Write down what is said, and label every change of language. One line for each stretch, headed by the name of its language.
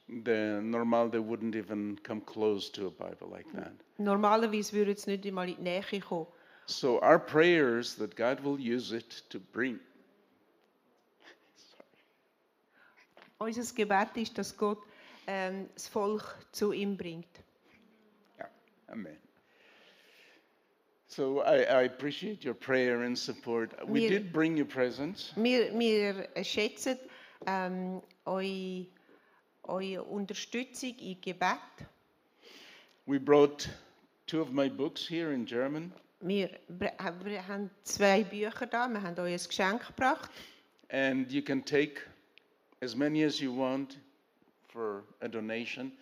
English: Normal, they wouldn't even come close to a Bible like that.
German: Normalerweise würden sie nicht einmal in die Nähe kommen.
English: So our prayers that God will use it to bring.
German: Unser Gebet ist, dass Gott das Volk zu ihm bringt. Ja, Amen.
English: So I appreciate your prayer and support. We did bring you presents.
German: Wir schätzen eure Unterstützung im Gebet.
English: We brought two of my books here in German.
German: Wir haben zwei Bücher da. Wir haben euch ein Geschenk gebracht.
English: And you can take as many as you want for a donation.